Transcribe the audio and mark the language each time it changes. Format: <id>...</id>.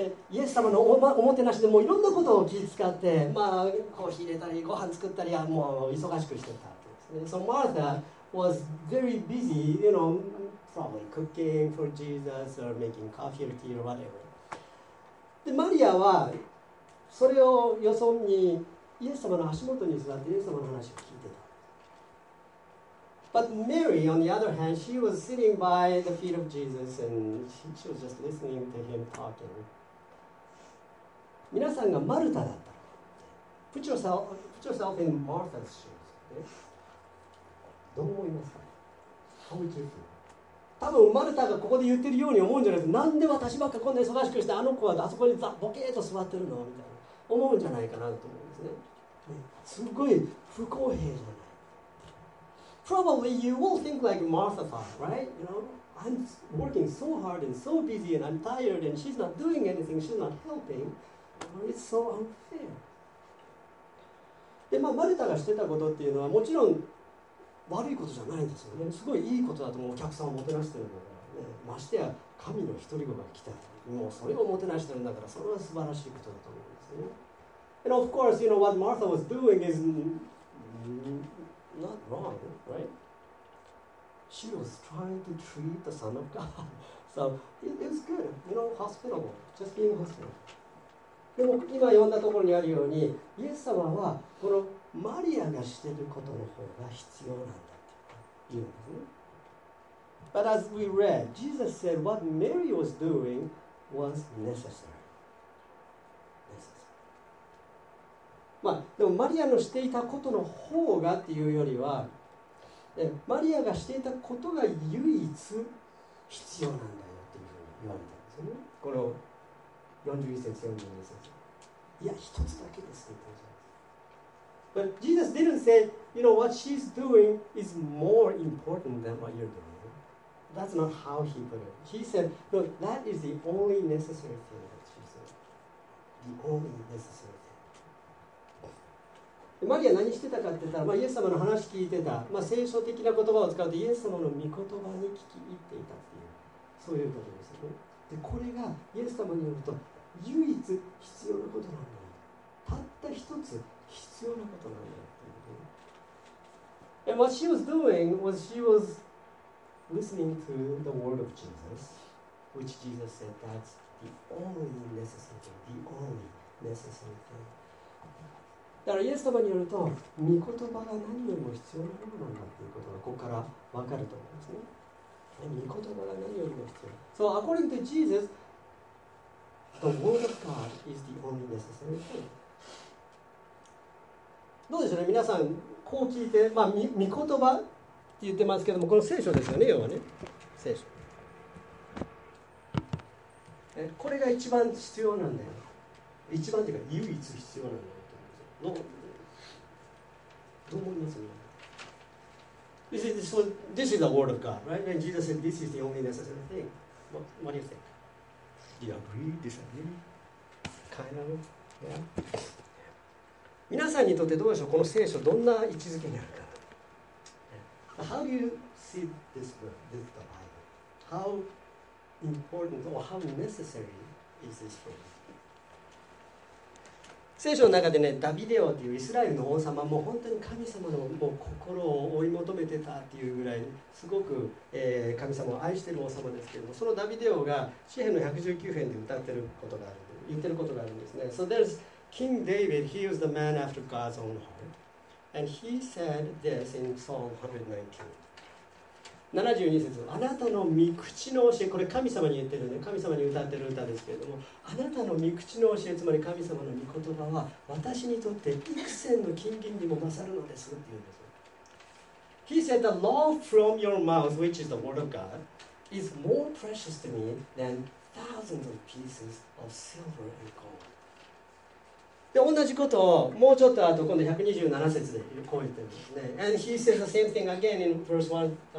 <ja>イエス様の おもてなしでもういろんなことを気遣って、まあ、コーヒー入れたりご飯作ったりはもう忙しくしてたんですね。</ja> <en>So MarthaWas very busy, you know, probably cooking for Jesus or making coffee or tea or whatever.</en> <ja>で、マリアはそれをよそにイエス様の足元に座ってイエス様の話を聞いてた。</ja> <en>But Mary, on the other hand, she was sitting by the feet of Jesus and she was just listening to him talking.</en> <ja>皆さんがマルタだったら、</ja> <en>put yourself in Martha's shoes.、Okay?</en> <ja>どう思いますか？多分マルタがここで言ってるように思うんじゃないですか。なんで私ばっかこんな忙しくしてあの子はあそこにザボケーと座ってるのみたいな思うんじゃないかなと思うんですね。すごい不公平じゃない。</ja> <en>Probably you will think like Martha thought, right? You know, I'm working so hard and so busy and I'm tired and she's not doing anything, she's not helping. It's so unfair.</en> <ja>で、まあ、マルタがしてたことっていうのはもちろん悪いことじゃないんですよね。すごいいいことだと思う。お客さんをもてなしてるんだから、ね、ましてや神の独り子が来た、もうそれをもてなしてるんだから、それは素晴らしいことだと思うんですね。</ja> <en>And of course, you know, what Martha was doing is not wrong, right? She was trying to treat the Son of God. So it was good, you know, hospitable, just being hospitable.</en> <ja>でも今読んだところにあるように、イエス様はこのマリアがしていることの方が必要なんだというんですね。</ja> <en>But as we read, Jesus said what Mary was doing was necessary.</en> <ja>まあ、でもマリアのしていたことの方がっていうよりは、マリアがしていたことが唯一必要なんだよというふうに言われたんですよね。この41節、42節。いや、一つだけですって言ったんです。</ja> <en>But Jesus didn't say, you know, what she's doing is more important than what you're doing. That's not how he put it. He said, no, that is the only necessary thing that she said. The only necessary thing.</en> <ja>マリア何してたかって言ったら、まあ、イエス様の話聞いてた。まあ、聖書的な言葉を使うと、イエス様の御言葉に聞き入っていたっていう、そういうことですよね。で、これがイエス様によると、唯一必要なことなんだよ。たった一つ必要なことなんだよっていう、ね。</ja> <en>And what she was doing was she was listening to the word of Jesus, which Jesus said that's the only necessary thing, the only necessary thing.</en> <ja>だからイエス様によると、御言葉が何よりも必要なことなんだっていうことがここからわかると思うんですね。御言葉が何よりも必要。</ja> <en>So according to Jesus, the word of God is the only necessary thing.</en> <ja>どうでしょうね、皆さん、こう聞いて、まあ、御言葉って言ってますけども、この聖書ですよね、要はね、聖書。これが一番必要なんだよ。一番っていうか、唯一必要なんだよって思うんですよ。どう思いますか？</ja> <en>This is, so this is the word of God, right? And Jesus said, this is the only necessary thing. What do you think? Do you agree? Disagree? Kind of? Yeah.</en> <ja>皆さんにとってどうでしょう、この聖書どんな位置づけにあるか。</ja> <en>How do you see this book, this Bible? How important or how necessary is this book?</en> <ja>聖書の中でね、ダビデ王というイスラエルの王様、もう本当に神様のもう心を追い求めてたっていうぐらい、すごく、神様を愛している王様ですけれども、そのダビデ王が詩篇の119編で歌ってることがある、言ってることがあるんですね。</ja> <en>So there's King David, he was the man after God's own heart. And he said this in Psalm 119.</en> <ja>72節、あなたの御口の教え、これ神様に言ってるね、神様に歌ってる歌ですけれども、あなたの御口の教え、つまり神様の御言葉は私にとって幾千の金銀にも勝るのですって言うんですよ。</ja> <en>He said the law from your mouth, which is the word of God, is more precious to me than thousands of pieces of silver and gold.</en> <ja>で、同じことをもうちょっとあと今度127節でこう言ってるんですね。</ja> <en>And he says the same thing again in verse 127.</en>